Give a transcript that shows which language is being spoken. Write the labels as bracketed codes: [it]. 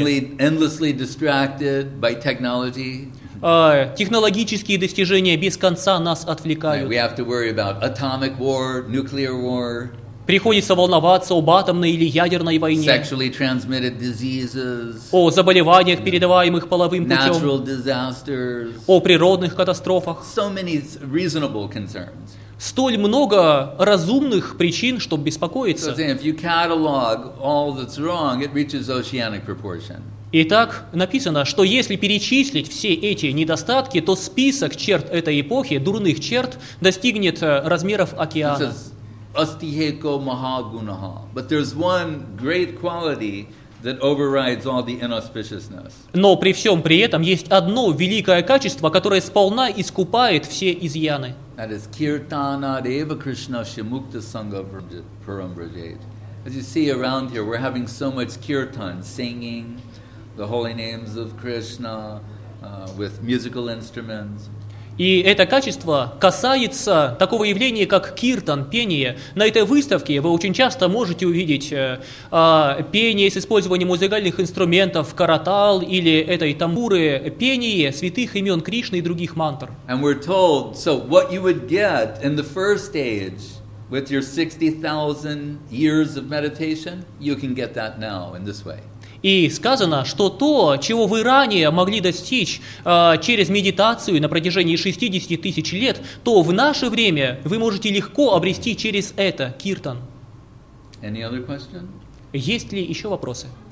[en] We're endlessly distracted by technology. [ru] технологические достижения без конца нас отвлекают. [en] We have to worry about atomic war, nuclear war. [ru] Приходится волноваться об атомной или ядерной войне, [en] sexually transmitted diseases, [ru] о заболеваниях, передаваемых половым путем, [en] natural disasters, [ru] о природных катастрофах. [en] So many reasonable concerns. [ru] Столь много разумных причин, чтобы беспокоиться. [en] So, if you catalog all that's wrong, it reaches oceanic proportion. [ru] Итак, написано, что если перечислить все эти недостатки, то список черт этой эпохи, дурных черт, достигнет размеров океана. [sa] Astiheko mahagunaha, [en] but there's one great quality that overrides all the inauspiciousness. [ru] Но при всем при этом есть одно великое качество, которое сполна искупает все изъяны. [en] That is [sa] kirtana deva krishna shimukta sangha parambrajate. [en] As you see around here, we're having so much kirtan, singing the holy names of Krishna with musical instruments. [ru] И это качество касается такого явления, как киртан, пение. На этой выставке вы очень часто можете увидеть пение с использованием музыкальных инструментов, каратал или этой тамбуры, пение святых имен Кришны и других мантр. [en] And we're told, so what you would get in the first age with your 60,000 years of meditation, you can get that now in this way. [ru] И сказано, что то, чего вы ранее могли достичь через медитацию на протяжении 60 тысяч лет, то в наше время вы можете легко обрести через это киртан. [en] Any other question? [ru] Есть ли еще вопросы?